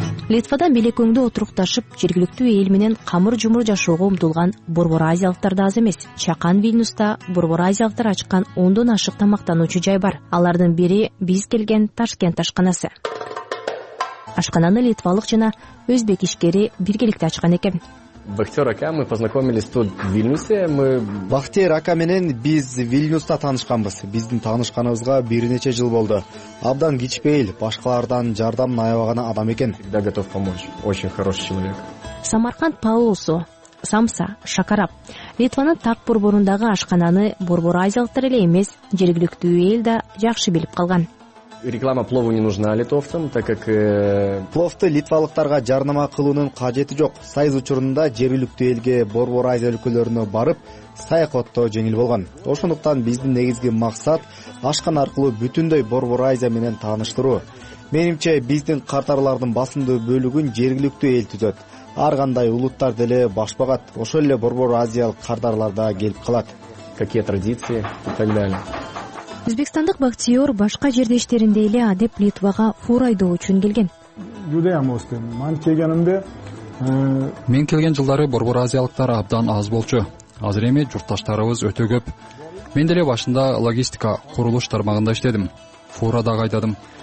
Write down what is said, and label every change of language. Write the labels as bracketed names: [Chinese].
[Kyrgyz] Литвада белек өңдө отурукташып, жергиликтүү эл менен камыр жумур жашоого умтулган борбор азиялыктар да аз эмес. Чакан Вильнюста борбор азиялыктар ачкан 10 ашык тамактануучу жай бар. Алардын бири биз келген Ташкент ашканасы. Ашкананы литвалык жана өзбек ишкери биргеликте ачкан экен. [Russian] Бахтер ака, мы познакомились тут в Вильнюсе. [Kyrgyz] Бахтер ака менен биз Вильнюста таанышканбыз. Биздин таанышканыбызга бир нече жыл болду. Абдан кичпейил, башкалардан жардам аябаган адам экен. [Russian] Всегда готов помочь. Очень хороший человек. [Kyrgyz] Самарканд Паулусу, Самса, Шакарап. Литванын так борборундагы ашкананы борбор азиялыктар эле эмес, жергиликтүү эл да жакшы билип калган. [Russian] Реклама плову не нужна литовцам, так как [Kyrgyz] пловту литвалыктарга жарнама кылуунун кажети жок. Союз учурунда жергиликтүү элге борбор Азия өлкөлөрүнө барып, саякаттоо жеңил болгон. Ошондуктан биздин негизги максат ашкан аркылуу бүтүндөй борбор Азия менен тааныштыруу. Менимче биздин картарлардын басымдуу бөлүгүн жергиликтүү эл түзөт. Ар кандай улуттар деле баш багат. Ошол эле борбор азиялык картарлар да келип калат. [Russian] Какие традиции и так далее. [Kyrgyz] Өзбекстандык бактиёр башка жердештеринде эле адеп Литвага фур айдоо үчүн келген. Мен келген жылдары борбор азиялыктар абдан аз болчу. Азыр эми журташтарыбыз өтө көп. Мен деле башында логистика курулуш тармагында иштедим. Фурада кайдадым.